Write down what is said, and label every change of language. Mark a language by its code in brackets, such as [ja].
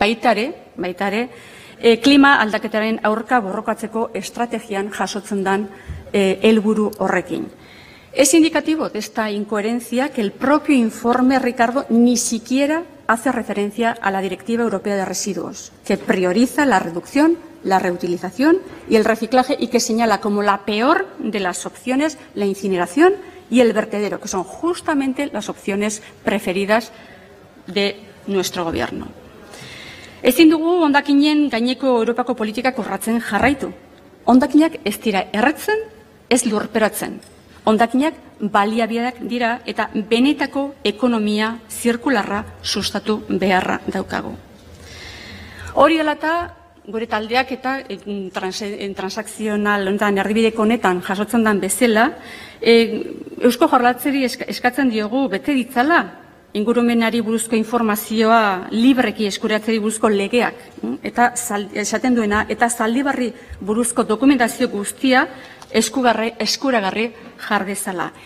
[eu] Baitare, klima aldaketaren aurka borrokatzeko estrategian jasotzen dan helburu horrekin. [es] Es indicativo de esta incoherencia que el propio informe Ricardo ni siquiera hace referencia a la Directiva Europea de Residuos, que prioriza la reducción, la reutilización y el reciclaje y que señala como la peor de las opciones la incineración y el vertedero, que son justamente las opciones preferidas de nuestro gobierno. [eu] Ezin dugu hondakinen gaineko Europako politika korratzen jarraitu. Hondakinak ez dira erretzen, ez lurperatzen. Hondakinak baliabideak dira eta benetako ekonomia zirkularra sustatu beharra daukagu. Hori dela eta gure taldeak eta transakzional honetan erdibideko honetan jasotzen den bezala, Eusko Jaurlaritzari eskatzen diogu bete ditzala ingurumenari buruzko informazioa libreki eskuratzeari buruzko legeak eta esaten duena eta Zaldibarri buruzko dokumentazio guztia eskuragarri jar dezala.